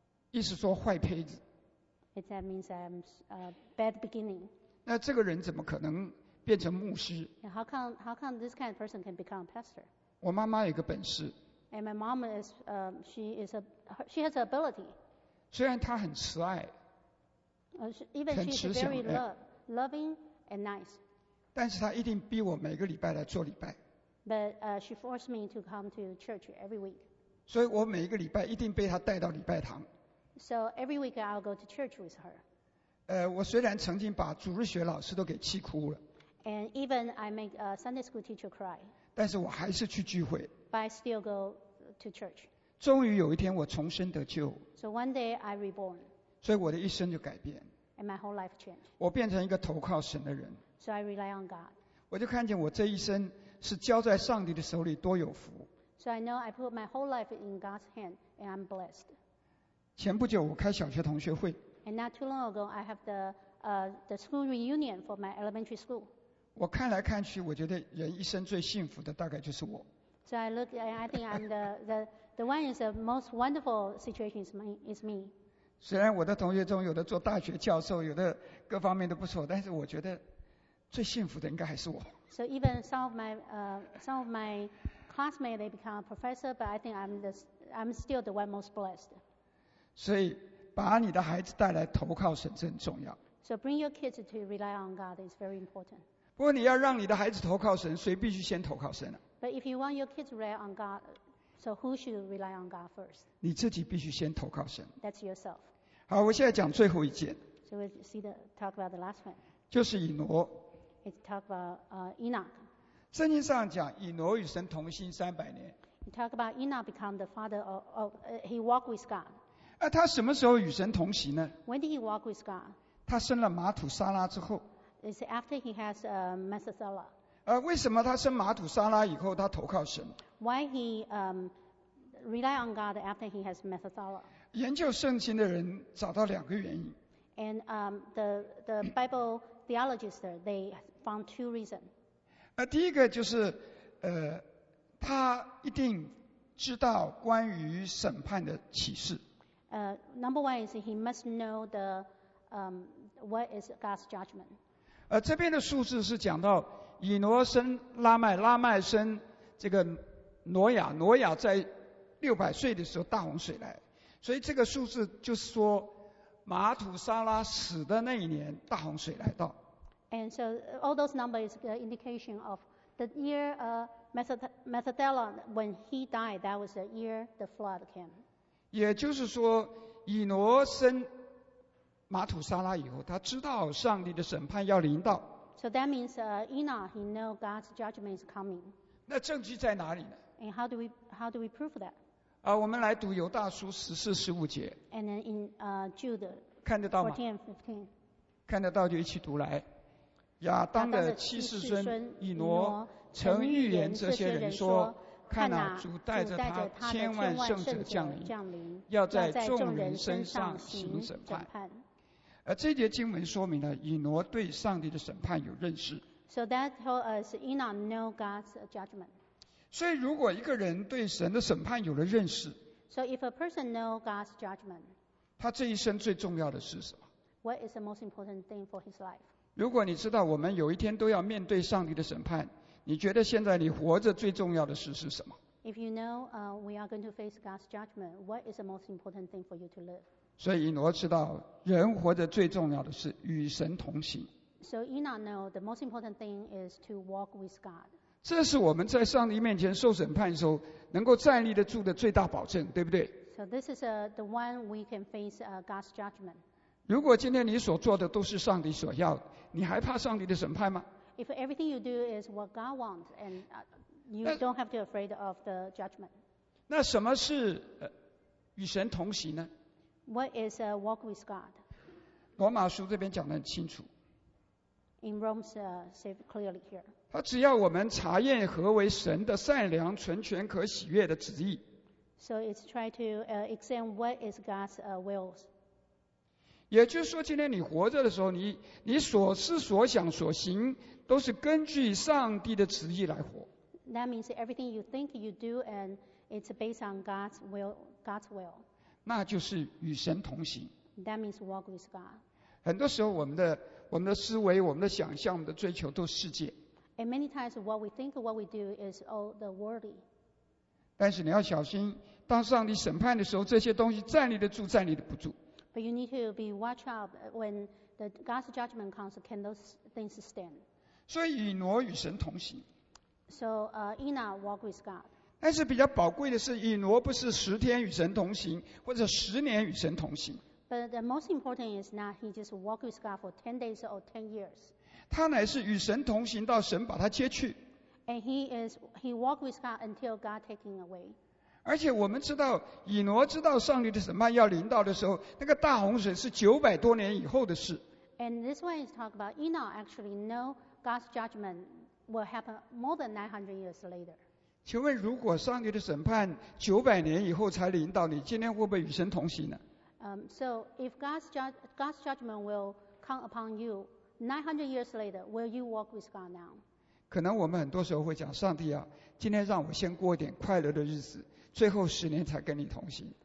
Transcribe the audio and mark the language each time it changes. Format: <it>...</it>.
<zh>意思说坏胚子。</zh> <en>It that means I'm a bad beginning.</en> <zh>那这个人怎么可能变成牧师</zh> <en>？How come this kind of person can become a pastor?</en> <zh>我妈妈有个本事。</zh> <en>And my mom is she has an ability.</en> <zh>虽然她很慈爱。</zh> <en>Even she's very loving and nice.</en> <zh>但是她一定逼我每个礼拜来做礼拜。</zh> <en>But she forced me to come to church every week.</en> <zh>所以我每一个礼拜一定被她带到礼拜堂。</zh> <en>So every week I'll go to church with her.</en> <zh>我虽然曾经把主日学老师都给气哭了。</zh> <en>And even I make a Sunday school teacher cry.</en> <zh>但是我还是去聚会。</zh> <en>But I still go to church.</en> <zh>终于有一天我重生得救。</zh> <en>So one day I reborn.</en> <zh>所以我的一生就改变。</zh> <en>And my whole life changed.</en> <zh>我变成一个投靠神的人。</zh> <en>So I rely on God.</en> <zh>我就看见我这一生是交在上帝的手里，多有福。</zh> <en>So I know I put my whole life in God's hand and I'm blessed.</en> <zh>前不久我开小学同学会。</zh> <en>And not too long ago, I have the school reunion for my elementary school.</en> <zh>我看来看去，我觉得人一生最幸福的大概就是我。</zh> <en>So I look and I think I'm the one is the most wonderful situation is me.</en> <zh>虽然我的同学中有的做大学教授，有的各方面都不错，但是我觉得最幸福的应该还是我。</zh> <en>So even some of my classmates they become a professor, but I think I'm still the one most blessed.</en> <zh>所以把你的孩子带来投靠神是很重要。</zh> <en>So bring your kids to rely on God is very important.</en> <zh>不过你要让你的孩子投靠神，谁必须先投靠神呢？</zh> <en>But if you want your kids to rely on God, so who should rely on God first?</en> <zh>你自己必须先投靠神。</zh> <en>That's yourself.</en> <zh>好，我现在讲最后一件。</zh> <en>So we'll see the talk about the last one.</en> <zh>就是以挪。</zh> <en>It's talk about Enoch.</en> <zh>圣经上讲以挪与神同心三百年。</zh> <en>You talk about Enoch become the father of he walked with God.</en> <zh>啊，他什么时候与神同行呢</zh> <en>？When did he walk with God?</en> <zh>他生了马土沙拉之后。</zh> <en>It's after he has Methuselah.</en> <zh>为什么他生马土沙拉以后他投靠神</zh> <en>？Why he rely on God after he has Methuselah?</en> <zh>研究圣经的人找到两个原因。</zh> <en>And the Bible theologists they found two reasons.</en> <zh>第一个就是他一定知道关于审判的启示。</zh> <en>Number one is he must know the what is God's judgment.</en> <zh>这边的数字是讲到。以挪生拉麦，拉麦生这个挪亚，挪亚在600岁的时候大洪水来，所以这个数字就是说马土沙拉死的那一年大洪水来到。</zh> <en>And so all those numbers is an indication of the year Methuselah when he died. That was the year the flood came.</en> <zh>也就是说，以挪生马土沙拉以后，他知道上帝的审判要临到。</zh> <en>So that means Enoch, he knows God's judgment is coming.</en> <zh>那证据在哪里呢</zh> <en>？And how do we prove that?</en> <zh>我们来读犹大书14-15节。</zh> <en>And then in Jude</en> <zh>看得到吗</zh> <en>？14-15</en> <zh>看得到就一起读来。亚当的七世孙以挪曾预言这些人说：“看哪，主带着他千万圣者降临，要在众人身上行审判。” 而这节经文说明了以挪对上帝的审判有认识。</zh> <en>So that told us Enoch know God's judgment.</en> <zh>所以如果一个人对神的审判有了认识</zh> <en>，So if a person know God's judgment,</en> <zh>他这一生最重要的是什么</zh> <en>？What is the most important thing for his life?</en> <zh>如果你知道我们有一天都要面对上帝的审判，你觉得现在你活着最重要的事是什么</zh> <en>？If you know we are going to face God's judgment, what is the most important thing for you to live?</en> <zh>所以以挪知道人活着最重要的是与神同行。</zh> <en>So Enoch know the most important thing is to walk with God.</en> <zh>这是我们在上帝面前受审判的时候能够站立得住的最大保证，对不对</zh> <en>？So this is the one we can face God's judgment.</en> <zh>如果今天你所做的都是上帝所要，你还怕上帝的审判吗</zh> <en>？If everything you do is what God wants, and you don't have to be afraid of the judgment.</en> <zh>那什么是与神同行呢？</zh> <en>What is a walk with God?</en> <zh>罗马书这边讲得很清楚。</zh> <en>In Rome's said clearly here.</en> <zh>他只要我们查验何为神的善良、纯全、可喜悦的旨意。</zh> <en>So it's try to examine what is God's will.</en> <zh>也就是说，今天你活着的时候，你所思所想所行，都是根据上帝的旨意来活。</zh> <en>That means everything you think you do, and it's based on God's will. God's will.</en> <zh>那就是与神同行。</zh> <en>That means walk with God.</en> <zh>很多时候我们的思维、我们的想象、我们的追求都是世界。</zh> <en>And many times what we think, what we do is all the worldly.</en> <zh>但是你要小心，当上帝审判的时候，这些东西站立得住，站立得不住。</zh> <en>But you need to be watch out when the God's judgment comes. Can those things stand?</en> <zh>所以以挪与神同行。</zh> <en>So Enoch walk with God.</en> <zh>但是比较宝贵的是，以挪不是10天与神同行，或者10年与神同行。</zh> <en>But the most important is not he just walk with God for 10 days or 10 years.</en> <zh>他乃是与神同行到神把他接去。</zh> <en>And he walk with God until God taking away.</en> <zh>而且我们知道，以挪知道上帝的审判要临到的时候，那个大洪水是900多年以后的事。</zh> <en>And this one is talking about Enoch actually know God's judgment will happen more than 900 years later.</en> <zh>请问如果上帝的审判900年以后才临到你，今天会不会与神同行呢？</zh> <en>So if God's judgment will come upon you 900 years later, will you walk with God now?</en> <zh>可能我们很多时候会讲，上帝啊，今天让我先过一点快乐的日子，最后十年才跟你同行。</zh>